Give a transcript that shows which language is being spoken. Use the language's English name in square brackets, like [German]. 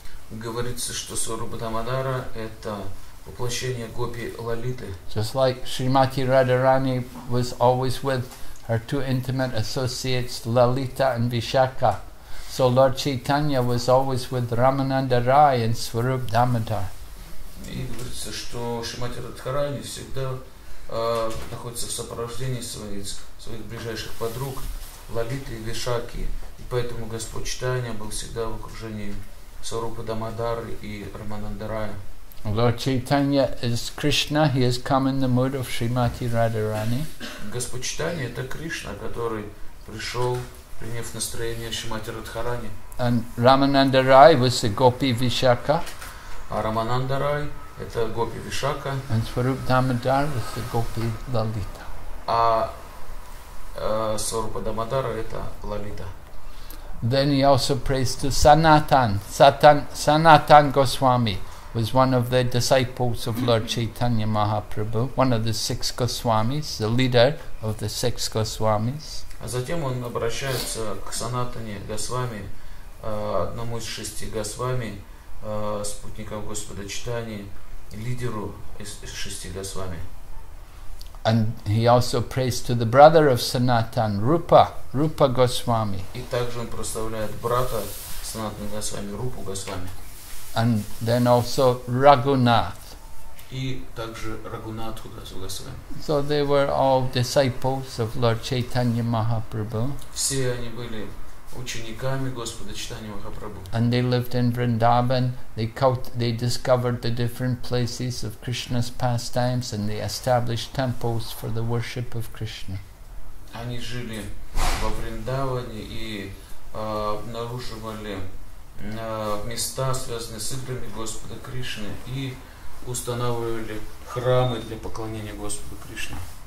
[Russian] Говорится, что Сваруп Дамодара это воплощение гопи Лалиты. [English] Just like Шримати Радарани was always with her two intimate associates, Lalita and Vishakha. So Lord Chaitanya was always with Ramananda Rai and Swarup Damodar. [Russian] И говорится, что Шримати Радхарани всегда находится в сопровождении своих ближайших подруг, Лалиты и Вишакхи. И поэтому Господь Чайтанья был всегда в окружении Сварупа Дамодары и Рамананда Рая. [English] Lord Chaitanya is Krishna, he has come in the mood of Srimati Radharani. [Russian] Господь Чайтанья это Кришна, который пришел, приняв настроение Шримати Радхарани. [English] And Ramananda Rai was a gopi Vishakha. [Russian] А Рамананда Рай это гопи Вишакха. [English] And Swarup Damodar was a gopi Lalita. [Russian] А Сварупа Дамодара это Лалита. [English] Then he also prays to Sanatan, Sanatan Goswami. Was one of the disciples of Lord Chaitanya Mahaprabhu, one of the six Goswamis, the leader of the six Goswamis. [Russian] А затем он обращается к Санатане Госвами, одному из шести Госвами, спутников Господа Читания, лидеру из шести Госвами. [English] And he also prays to the brother of Sanatan, Rupa Goswami. [Russian] И также он прославляет брата Санатана Госвами, Рупу Госвами. [English] And then also Raghunath. [Russian] И также Raghunath Goswami. [English] So they were all disciples of Lord Chaitanya Mahaprabhu. [Russian] Все они были учениками Господа Чайтаньи Махапрабху. [English] And they lived in Vrindavan. They discovered the different places of Krishna's pastimes, and they established temples for the worship of Krishna. [Russian] Они жили во Вриндаване и обнаруживали места, связанные с играми Господа Кришны, и устанавливали храмы для поклонения Господу Кришне.